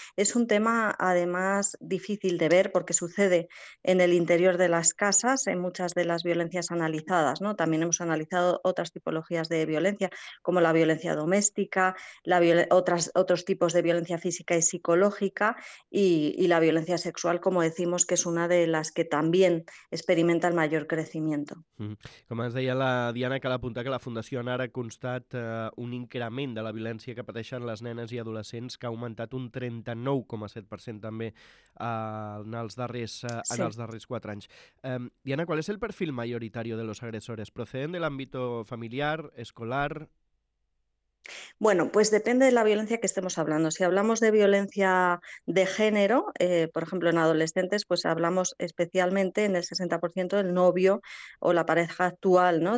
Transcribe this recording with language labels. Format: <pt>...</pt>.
<es>Es un tema además difícil de ver porque sucede en el interior de las casas, en muchas de las violencias analizadas, ¿no? También hemos analizado otras tipologías de violencia, como la violencia doméstica, otros tipos de violencia física y psicológica, y la violencia sexual, como decimos, que es una de las que también experimenta el mayor crecimiento.</es> <ca>Com ens deia la Diana, cal apuntar que la Fundació ANAR ha constat un increment de la violència que pateixen les nenes i adolescents, que ha augmentat un 39,7% també en els darrers 4 anys.</ca> <es>Diana, ¿cuál es el perfil mayoritario de los agresores? ¿Proceden del ámbito familiar, escolar? Bueno, pues depende de la violencia que estemos hablando. Si hablamos de violencia de género, por ejemplo, en adolescentes, pues hablamos especialmente en el 60% del novio o la pareja actual, ¿no?</es>